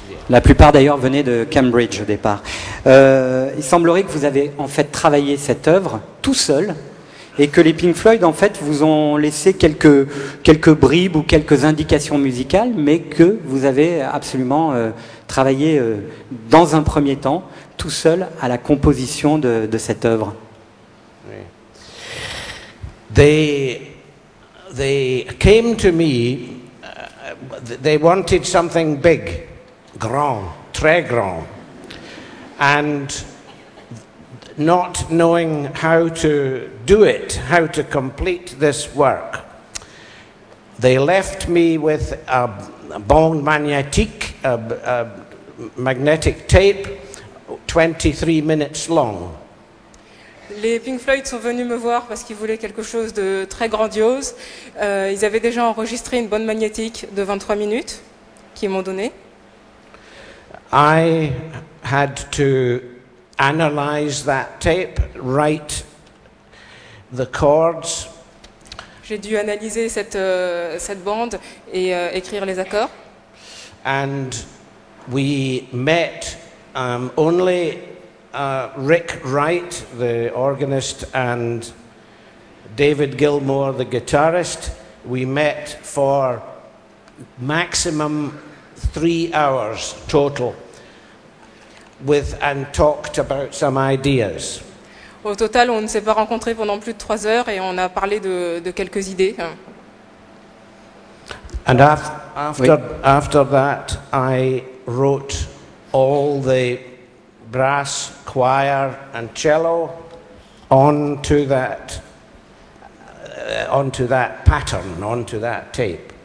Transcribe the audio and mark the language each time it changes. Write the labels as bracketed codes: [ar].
[fr] La plupart d'ailleurs venaient de Cambridge au départ. Il semblerait que vous avez en fait travaillé cette œuvre tout seul et que les Pink Floyd en fait vous ont laissé quelques bribes ou quelques indications musicales, mais que vous avez absolument travaillé dans un premier temps tout seul à la composition de cette œuvre. [en] They came to me, they wanted something big, grand, [fr] très grand, [en] and not knowing how to do it, how to complete this work, they left me with a [fr] bande magnétique, [en] a magnetic tape, 23 minutes long. [fr] Les Pink Floyd sont venus me voir parce qu'ils voulaient quelque chose de très grandiose. Ils avaient déjà enregistré une bande magnétique de 23 minutes qu'ils m'ont donnée. [en] I had to analyze that tape, write the chords. [fr] J'ai dû analyser cette bande et écrire les accords. [en] And we met only Rick Wright, the organist, and David Gilmour, the guitarist, we met for maximum 3 hours total, and talked about some ideas. [fr] Au total, on ne s'est pas rencontré pendant plus de 3 heures et on a parlé de quelques idées. [en] And after that, I wrote all the brass, choir, and cello onto that pattern, onto that tape.